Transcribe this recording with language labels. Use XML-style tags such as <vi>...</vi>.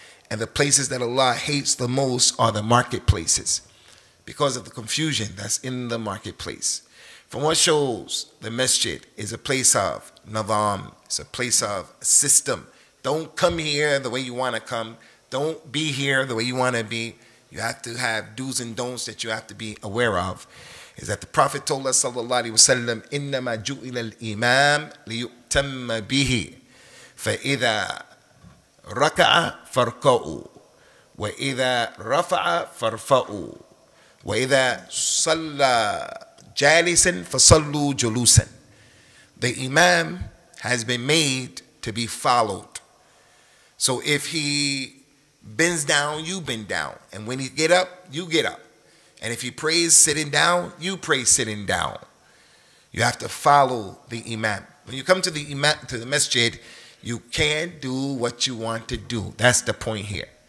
<en>And the places that Allah hates the most are the marketplaces because of the confusion that's in the marketplace. From what shows, the masjid is a place of nizam. It's a place of system. Don't come here the way you want to come. Don't be here the way you want to be. You have to have do's and don'ts that you have to be aware of. Is that the Prophet told us,</en> <ar>sallallahu alayhi wa sallam, إِنَّمَا جُؤِلَ الْإِمَامِ لِيُؤْتَمَّ بِهِ فَإِذَا رَكَعَ فَارْكَعُوا وَإِذَا رَفَعَ فَارْفَعُوا وَإِذَا صَلَّى جَالِسًا فَصَلُّوا جُلُوسًا.</ar> <en>The imam has been made to be followed. So if he bends down, you bend down. And when he get up, you get up. And if he prays sitting down, you pray sitting down. You have to follow the imam. When you come to the imam, to the masjid, you can't do what you want to do. That's the point here.</en>